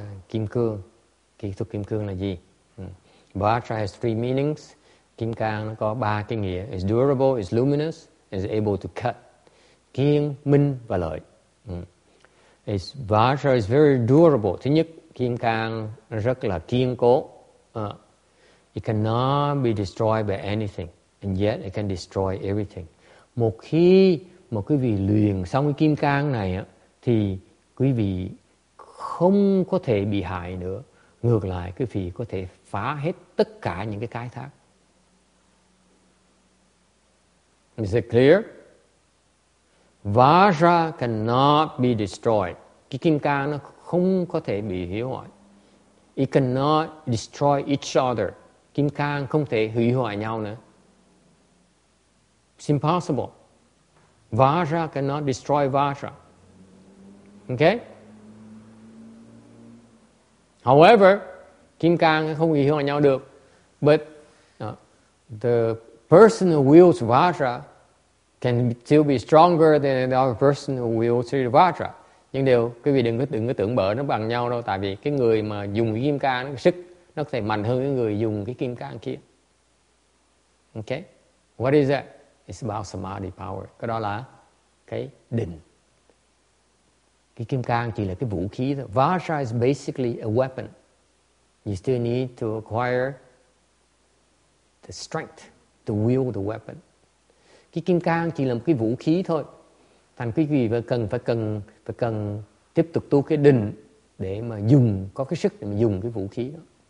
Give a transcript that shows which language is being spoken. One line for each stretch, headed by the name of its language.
Vietnamese: Kim cương, kỹ thuật kim cương là gì?
English: Vajra has three meanings.
Vietnamese: Kim cang nó có ba cái nghĩa.
English: It's durable, it's luminous, it's able to cut.
Vietnamese: Kiên, minh và lợi.
English: It's Vajra is very durable.
Vietnamese: Thứ nhất, kim cang rất là kiên cố.
English: It cannot be destroyed by anything. And yet it can destroy everything.
Vietnamese: Một khi mà quý vị luyện xong cái kim cang này á, thì quý vị không có thể bị hại nữa. Ngược lại, quý vị có thể phá hết tất cả những cái khai thác.
English: Is it clear? Vajra cannot be destroyed.
Vietnamese: Cái kim cang nó không có thể bị hủy hoại.
English: It cannot destroy each other.
Vietnamese: Kim cang không thể hủy hoại nhau nữa.
English: It's impossible. Vajra cannot destroy Vajra. Okay?
Vietnamese: However, kim cang không hủy hoại nhau được.
English: But the person who wields Vajra can still be stronger than the other person who wields the Vajra.
Vietnamese: Nhưng điều quý vị đừng có tưởng bỡ nó bằng nhau đâu. Tại vì cái người mà dùng kim cang sức nó có thể mạnh hơn cái người dùng cái kim cang kia.
English: Okay? What is that? It's about samadhi power.
Vietnamese: Cái đó là cái định. Cái kim cang chỉ là cái vũ khí thôi.
English: Vajra is basically a weapon. You still need to acquire the strength to wield the weapon.
Vietnamese: Cái kim cang chỉ là một cái vũ khí thôi. Thành quý vị phải cần tiếp tục tu cái định để mà dùng, có cái sức để mà dùng cái vũ khí đó.